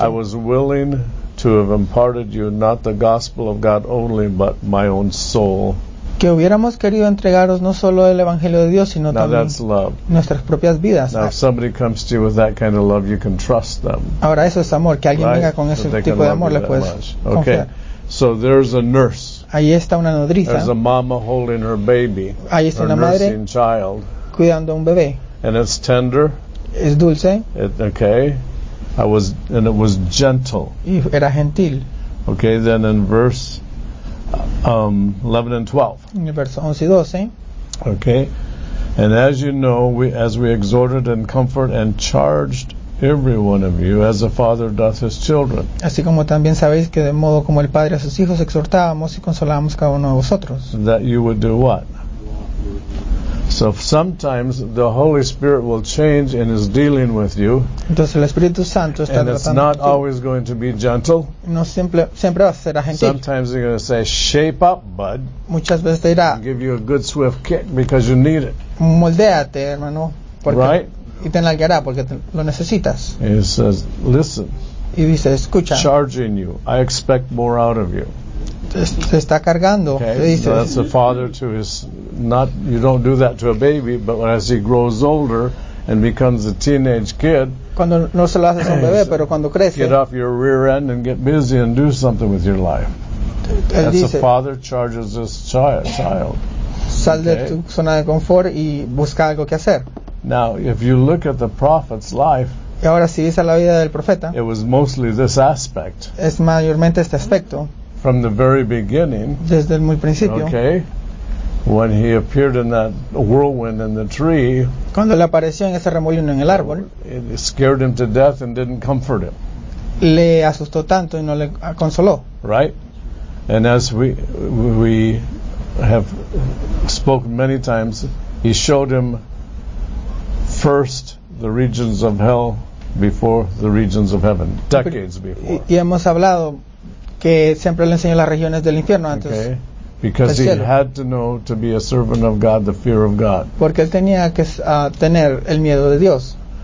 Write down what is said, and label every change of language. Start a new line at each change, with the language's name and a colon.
English: I was willing to have imparted you not the gospel of God only, but my own soul
Spanish: que hubiéramos querido entregaros no solo el Evangelio de Dios, sino
English: now
Spanish: también nuestras propias vidas.
English: Now, if somebody comes to you with that kind of love, you can trust them.
Spanish: Ahora eso es amor, que alguien
English: right?
Spanish: venga con ese tipo de amor, le puedes
English: okay.
Spanish: confiar.
English: So there's a nurse.
Spanish: Ahí está una nodriza.
English: There's a mama holding her baby.
Spanish: Ahí está una madre
English: child.
Spanish: Cuidando un bebé.
English: And it's tender.
Spanish: Es dulce.
English: Okay. And it was gentle.
Spanish: Y era gentil.
English: Okay, then in verse 11 and 12.
Spanish: Verso 11 y 12.
English: Okay. And as you know, we exhorted and comfort and charged every one of you as a father doth his children.
Spanish: Así como también sabéis que de modo como el padre a sus hijos exhortábamos y consolábamos cada uno de vosotros.
English: That you would do what? So sometimes the Holy Spirit will change and is dealing with you.
Spanish: Entonces el Espíritu Santo está tratando.
English: And it's not always going to be gentle.
Spanish: No siempre va a ser gentil.
English: Sometimes they're going to say, "Shape up, bud."
Spanish: Muchas veces te dirá.
English: Give you a good swift kick because you need it.
Spanish: Moldéate, hermano.
English: Right.
Spanish: Y te enalgará porque lo necesitas.
English: He says, "Listen."
Spanish: Y dice, escucha.
English: Charging you, I expect more out of you.
Spanish: Se está cargando.
English: Okay.
Spanish: Dice,
English: so that's a father to his. Not you don't do that to a baby, but as he grows older and becomes a teenage kid.
Spanish: Cuando no se lo haces a un bebé, pero cuando crece.
English: Get off your rear end and get busy and do something with your life.
Spanish: Él
English: that's
Spanish: dice,
English: a father charges his child.
Spanish: Sal okay. de tu zona de confort y busca algo que hacer.
English: Now, if you look at the prophet's life.
Spanish: Y ahora si ves a la vida del profeta.
English: It was mostly this aspect.
Spanish: Es mayormente este aspecto.
English: From the very beginning.
Spanish: Desde el muy principio.
English: Okay. When he appeared in that whirlwind in the tree.
Spanish: Cuando le apareció en ese remolino en el árbol.
English: It scared him to death and didn't comfort him.
Spanish: Le asustó tanto y no le consoló.
English: Right. And as we have spoken many times, he showed him first the regions of hell before the regions of heaven, decades before.
Spanish: Y hemos hablado que siempre le enseñó las regiones del infierno antes.
English: Okay. Because he had to know to be a servant of God, the fear of God.
Spanish: Porque él tenía que tener el miedo de Dios.